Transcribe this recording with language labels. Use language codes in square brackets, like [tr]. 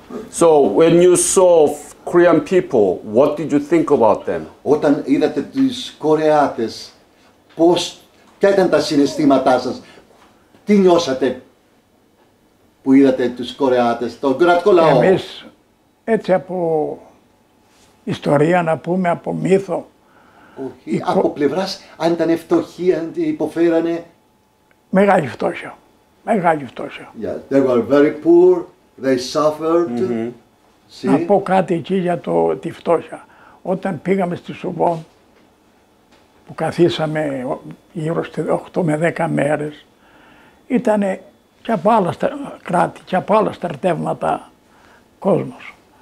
[en] So, when you saw Korean people, what did you think about them? [el] Όταν είδατε τους Κορεάτες, πώς, ποια ήταν τα συναισθήματά σας, τι νιώσατε που είδατε τους Κορεάτες, τον κορεατικό λαό. Εμείς, έτσι από ιστορία να πούμε, από μύθο. Όχι, από πλευράς, αν ήταν φτωχοί, αν υποφέρανε. Μεγάλη φτώχεια. Μεγάλη φτώχεια. [en] Yeah, they were very poor, they suffered. [el] Να πω κάτι εκεί για τη φτώχεια. Όταν πήγαμε στη Σουβόν, που καθίσαμε γύρω στις 8 με 10 μέρες, ήταν και από άλλα κράτη, και από άλλα στρατεύματα κόσμος.